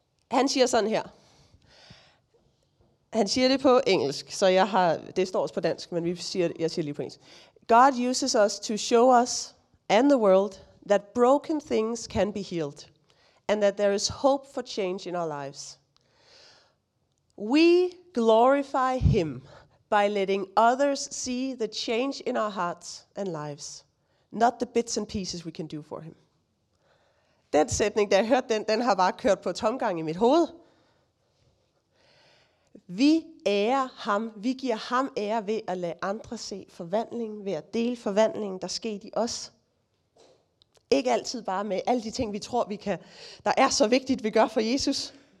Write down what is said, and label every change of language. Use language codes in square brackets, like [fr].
[da] Han siger sådan her. Han siger det på engelsk, så jeg har, det står også på dansk, men jeg siger lige på engelsk. [en] God uses us to show us and the world that broken things can be healed and that there is hope for change in our lives. We glorify him by letting others see the change in our hearts and lives, not the bits and pieces we can do for him. [da] Den sætning, da jeg hørte den, den har bare kørt på tomgang i mit hoved. Vi ærer ham, vi giver ham ære ved at lade andre se forvandlingen, ved at dele forvandlingen, der sker i os. Ikke altid bare med alle de ting, vi tror, vi kan, der er så vigtigt, vi gør for Jesus.